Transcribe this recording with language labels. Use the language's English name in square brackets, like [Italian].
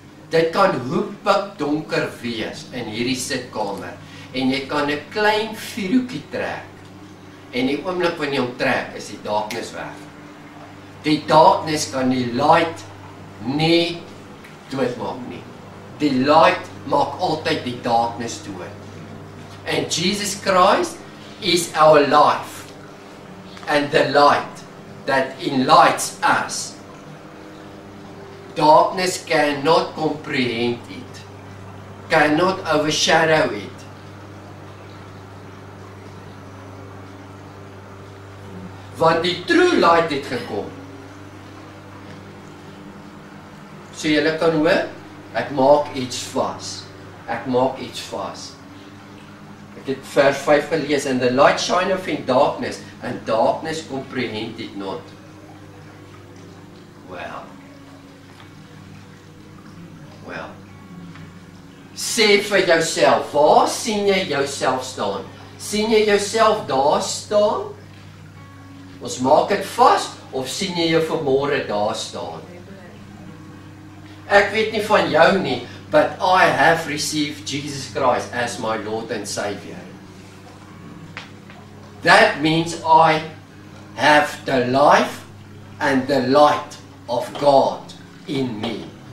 [Afrikaans] Dit kan hoekpik donker wees in hierdie sitkamer, en jy kan 'n klein vierhoekie trek, en die oomblik wanneer jy hom trek, is die darkness weg. Die darkness kan die light nie doodmaak nie. Die light maak altyd die darkness dood. [English] And Jesus Christ is our life, and the light that enlightens us. Darkness cannot comprehend it, cannot overshadow it. [Afrikaans] Want die true light het gekom. So julle kan hoor, ek maak iets vas. Ek maak iets vas. Ek het vers 5 gelees, [English] and the light shineth in darkness, and darkness comprehend it not. Well. [Afrikaans] Sê vir jouself, waar sien jy jouself staan? Sien jy jouself daar staan? Ons maak het vas, of sien jy jou vanmôre daar staan? Ek weet nie van jou nie, [English] but I have received Jesus Christ as my Lord and Savior. That means I have the life and the light of God in me.